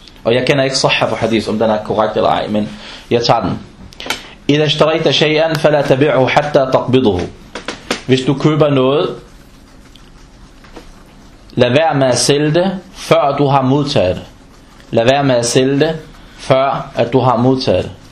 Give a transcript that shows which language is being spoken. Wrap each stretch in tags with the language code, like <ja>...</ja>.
<da>Og jeg kender ikke sahha for hadith, om den er korrekt eller ej, men jeg tager den.</da> <ar>إذا اشتريت شيئا فلا تبيعه حتى تقبضه.</ar> <da>Hvis du køber noget, lad være med at sælge det, før du har modtaget det. Lad være med at sælge det, før at du har modtaget det.</da>